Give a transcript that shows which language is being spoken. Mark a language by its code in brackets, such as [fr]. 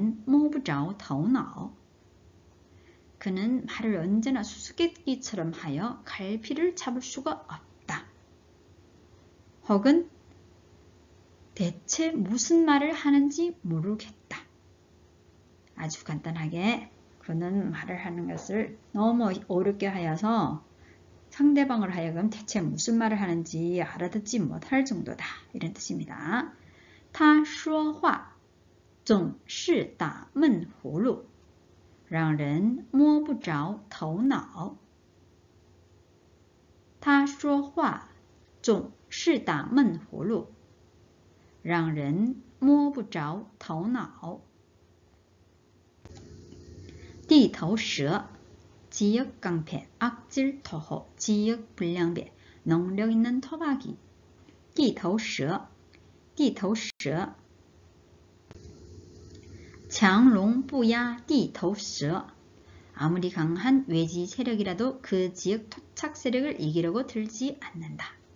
[zh] 姐姐跟个闷葫芦似的，谁也不知道她在想啥。她说话总是打闷葫芦，让人摸不着头脑。 [ko] 그는 말을 언제나 수수께끼처럼 하여 갈피를 잡을 수가 없다. 혹은 대체 무슨 말을 하는지 모르겠다. 아주 간단하게 그는 말을 하는 것을 너무 어렵게 하여서 상대방을 하여금 대체 무슨 말을 하는지 알아듣지 못할 정도다. 이런 뜻입니다. [zh] 他说话总是打闷葫芦, 让人摸不着头脑. 他说话总是打闷葫芦, 让人摸不着头脑. [ko] 地头蛇, 지역깡패, 악질토호, 지역불량배, 능력있는 토박이. [zh] 地头蛇, 地头蛇. 强龙不压地头蛇, [ko] 아무리 강한 외지 세력이라도 그 지역 토착 세력을 이기려고 들지 않는다.